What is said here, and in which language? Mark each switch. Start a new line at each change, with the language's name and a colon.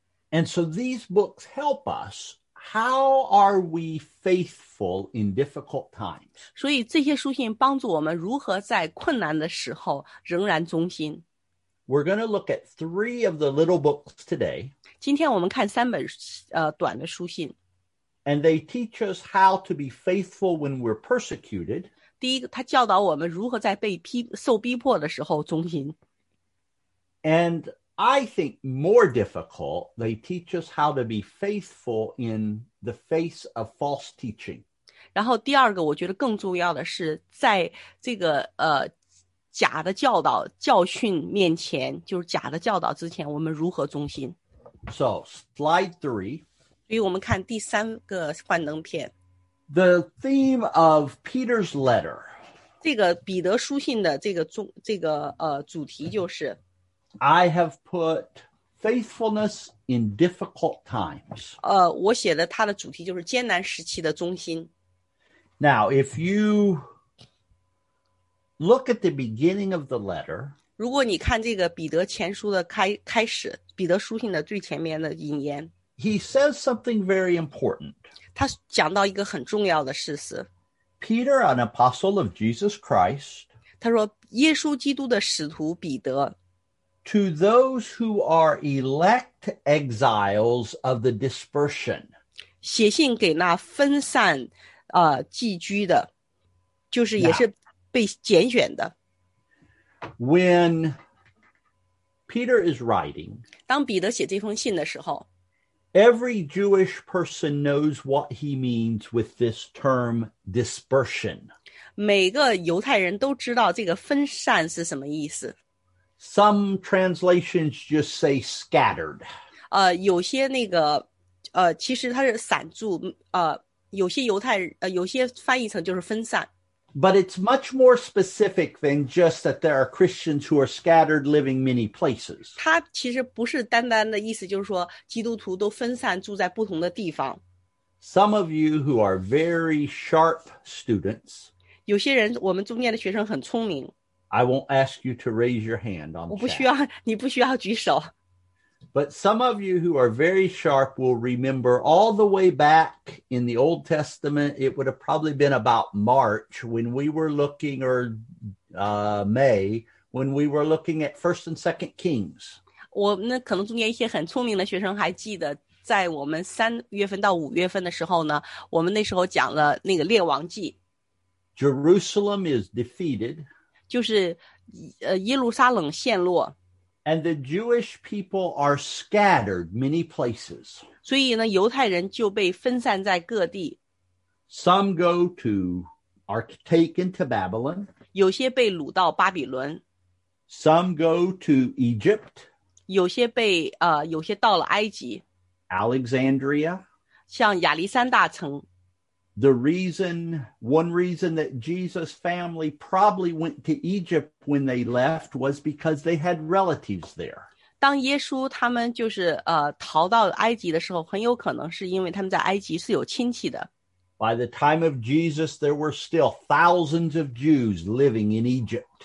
English: And so these books help us, how are we faithful in difficult times?
Chinese: 所以这些书信帮助我们如何在困难的时候仍然忠心。
English: We're going to look at three of the little books today.
Chinese: 今天我们看三本短的书信。
English: And they teach us how to be faithful when we're persecuted.
Chinese: 第一个，他教导我们如何在受逼迫的时候忠心。
English: And I think more difficult, they teach us how to be faithful in the face of false teaching.
Chinese: 然后第二个，我觉得更重要的是在这个假的教导教训面前就是假的教导之前我们如何忠心
English: So slide three
Chinese: 所以我们看第三个幻灯片
English: The theme of Peter's letter
Chinese: 这个彼得书信的主题就是
English: I have put faithfulness in difficult times
Chinese: 我写的它的主题就是艰难时期的忠心
English: Now if youLook at the beginning of the letter.
Chinese: 如果你看这个彼得前书的开始，彼得书信的最前面的引言。
English: He says something very important.
Chinese: 他讲到一个很重要的事实。
English: Peter, an apostle of Jesus Christ.
Chinese: 他说，耶稣基督的使徒彼得。
English: To those who are elect exiles of the dispersion.
Chinese: 写信给那分散寄居的，就是也是。
English: Now,
Chinese: 被拣选的。
English: When Peter is writing,
Chinese: 当彼得写这封信的时候
English: every Jewish person knows what he means with this term dispersion.
Chinese: 每个犹太人都知道这个分散是什么意思。
English: Some translations just say scattered.
Chinese: 有些那个其实它是散住有些犹太人有些翻译成就是分散。
English: But it's much more specific than just that there are Christians who are scattered living many places.
Chinese: 它其实不是单单的意思就是说基督徒都分散住在不同的地方。
English: Some of you who are very sharp students.
Chinese: 有些人我们中间的学生很聪明。
English: I won't ask you to raise your hand on the chat.
Chinese: 你不需要举手。
English: But some of you who are very sharp will remember all the way back in the Old Testament, it would have probably been about March when we were looking, or May, when we were looking at 1st and 2nd Kings.
Chinese: 我那可能中间一些很聪明的学生还记得在我们三月份到五月份的时候呢我们那时候讲了那个列王记。
English: Jerusalem is defeated.
Chinese: 就是耶路撒冷陷落。
English: And the Jewish people are scattered many places.
Chinese: 所以呢，犹太人就被分散在各地。
English: Some go to, are taken to Babylon.
Chinese: 有些被掳到巴比伦。
English: Some go to Egypt.
Chinese: 有些被有些到了埃及。
English: Alexandria.
Chinese: 像亚历山大城。
English: The reason, one reason that Jesus' family probably went to Egypt when they left was because they had relatives there.
Chinese: 当耶稣他们就是逃到埃及的时候，很有可能是因为他们在埃及是有亲戚的。
English: By the time of Jesus, there were still thousands of Jews living in Egypt.